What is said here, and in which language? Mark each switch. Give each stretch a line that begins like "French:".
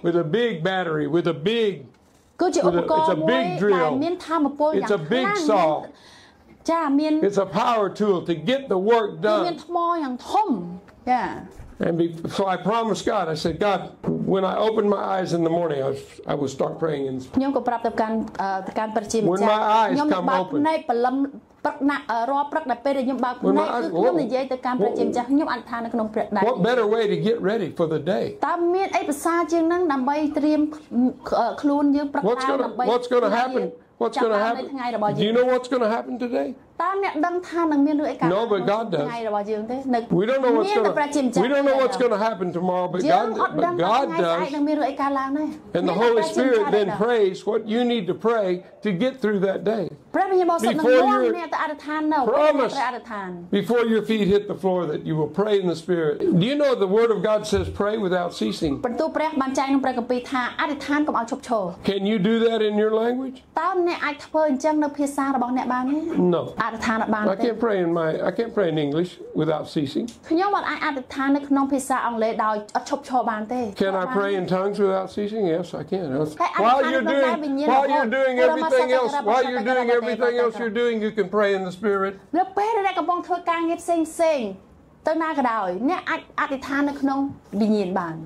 English: With a big battery with a big
Khmer: គឺជាឧបករណ៍មួយដែលមានធម៌ពលយ៉ាងខ្លាំង ណាស់ចាមាន
English: It's a power tool to get the work done
Khmer: មានថ្មយ៉ាងធំចា
English: And so I promised God I said God when I opened my eyes in the morning I would start praying in
Khmer: ខ្ញុំក៏ប្រាប់ទៅកាន់ប្រជាម្ចាស់ខ្ញុំបានបើក នៃព្រលឹមព្រឹកណារាល់ព្រឹកដែលពេលដែលខ្ញុំបើកភ្នែកគឺខ្ញុំនិយាយទៅកាន់ព្រះជាម្ចាស់ខ្ញុំអធិដ្ឋាននៅក្នុងព្រះដៃ
English: What better way to get ready for the day
Khmer: តើមានអីប្រសើរជាងនឹងដើម្បីត្រៀមខ្លួនយើងព្រឹក ណាដើម្បី
English: What's going to happen What's going to happen
Khmer: ថ្ងៃរបស់យើង
English: Do you know what's going to happen today
Khmer: តើអ្នកដឹងថានឹងមានរឿងអីកើត ឡើងថ្ងៃរបស់យើ ងទេនៅ
English: We don't know what's going to happen We don't know what's going to happen tomorrow but God does
Khmer: នឹងមានរឿងអីកើតឡើងដែរ
English: And the Holy Spirit then prays what you need to pray to get through that day
Khmer: ព្រះវិញ្ញាណបរិសុទ្ធនឹងនាំអ្នកទៅអធិដ្ឋាននៅ ព្រះអធិដ្ឋាន
English: Before your feet hit the floor that you will pray in the spirit Do you know the word of God says pray without ceasing
Khmer: ព្រះទូព្រះបានចែងក្នុងព្រះគម្ពីរថាអធិដ្ឋានកុំឲ្យឈប់ឈរ
English: Can you do that in your language
Khmer: តើអ្នកអាចធ្វើអញ្ចឹងនៅភាសារបស់អ្នកបានទេ
English: No
Khmer: អធិដ្ឋានបានទេ
English: I can't pray in English without ceasing
Khmer: ខ្ញុំមិនអាចអធិដ្ឋាននៅក្នុងភាសាអង់គ្លេសដោយឥតឈប់ឈរបានទេ
English: Can I pray in tongues without ceasing Yes I can Everything else you're doing you can pray in the spirit.
Khmer: នៅពេលដែលកំពុងធ្វើការងារផ្សេងផ្សេងទៅណាក៏ដោយអ្នកអាចអធិដ្ឋាននៅក្នុងវិញ្ញាណបាន